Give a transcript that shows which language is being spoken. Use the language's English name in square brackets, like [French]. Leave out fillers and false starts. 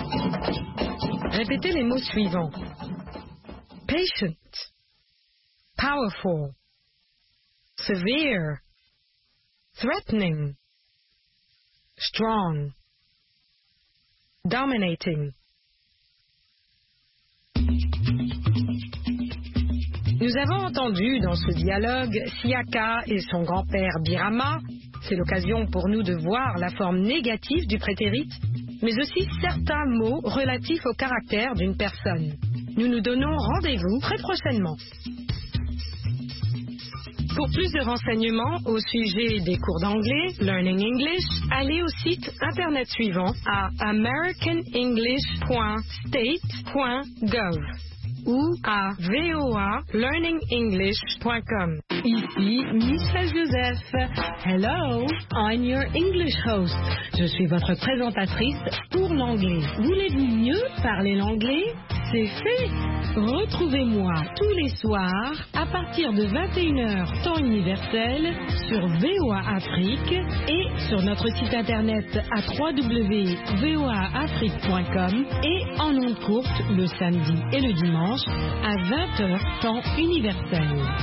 [French] Répétez les mots suivants. [English] Patient, powerful, severe, threatening, strong, dominating. [French] Nous avons entendu dans ce dialogue Siaka et son grand-père Birama. C'est l'occasion pour nous de voir la forme négative du prétérit, mais aussi certains mots relatifs au caractère d'une personne. Nous nous donnons rendez-vous très prochainement. Pour plus de renseignements au sujet des cours d'anglais, Learning English, allez au site internet suivant à americanenglish.state.gov ou à voalearningenglish.com. Ici Michel Joseph. [English] Hello, I'm your English host. [French] Je suis votre présentatrice pour l'anglais. Voulez-vous mieux parler l'anglais? C'est fait! Retrouvez-moi tous les soirs à partir de 21h temps universel sur VOA Afrique et sur notre site internet à www.voaafrique.com et en ondes courtes le samedi et le dimanche à 20h temps universel.